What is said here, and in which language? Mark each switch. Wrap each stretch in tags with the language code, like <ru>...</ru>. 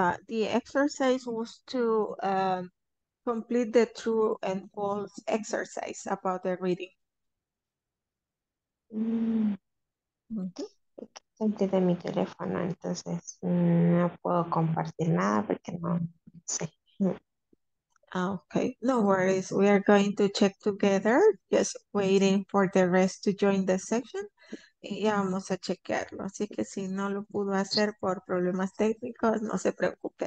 <en>The exercise was to complete the true and false exercise about the reading.</en> <es>Senté de mi teléfono, entonces no puedo compartir nada porque no sé.</es> <en>Okay, no worries. We are going to check together. Just waiting for the rest to join the session.</en> <es>Y ya vamos a chequearlo. Así que si no lo pudo hacer por problemas técnicos, no se preocupe.</es>